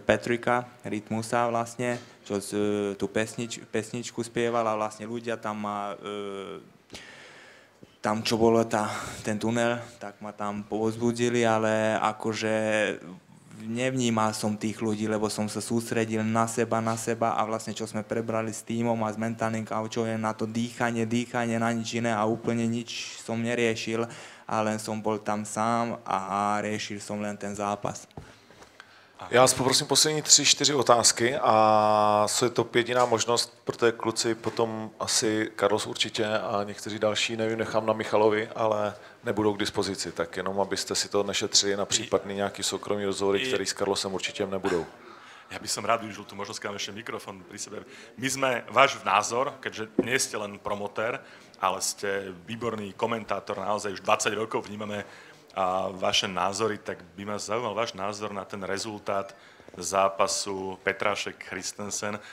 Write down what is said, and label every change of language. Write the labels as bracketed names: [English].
[Slovak] Patricka, Rytmusa vlastne, čo tú pesničku spieval a vlastne ľudia tam ma, tam čo bolo ten tunel, tak ma tam povzbudili, ale akože nevnímal som tých ľudí, lebo som sa sústredil na seba a vlastne čo sme prebrali s týmom a s mentálnym coachom, na to dýchanie, na nič iné a úplne nič som neriešil a len som bol tam sám a riešil som len ten zápas. [Czech] Já vás poprosím poslední 3-4 otázky a co je to jediná možnost, protože kluci potom asi Carlos určitě a někteří další, nevím, nechám na Michalovi, ale nebudou k dispozici, tak jenom abyste si to nešetřili na případný nějaký soukromý rozhovory, který s Carlosem určitě nebudou. [Slovak] Ja by som rád využil tú možnosť, keď mám ešte mikrofón pri sebe. My sme váš názor, keďže nie ste len promotér, ale ste výborný komentátor, naozaj už 20 rokov vnímame a vaše názory, tak by ma zaujímal váš názor na ten rezultát zápasu Petrášek-Christensen.